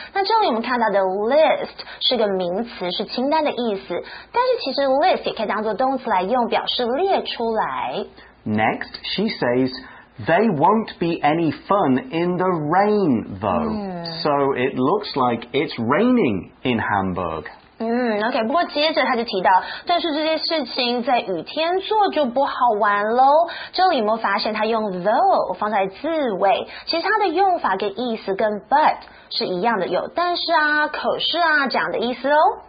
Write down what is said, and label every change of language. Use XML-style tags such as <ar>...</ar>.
<zh>那这里我们看到的 list 是个名词，是清单的意思。但是其实 list 也可以当作动词来用，表示列出来。</zh> <en>Next, she says they won't be any fun in the rain, though.、嗯、 so it looks like it's raining in Hamburg.</en> <zh>嗯 ，OK， 不过接着他就提到，但是这些事情在雨天做就不好玩咯。这里有没有发现他用 though 放在字尾，其实他的用法跟意思跟 but 是一样的，有但是啊，可是啊，这样的意思哦。</zh>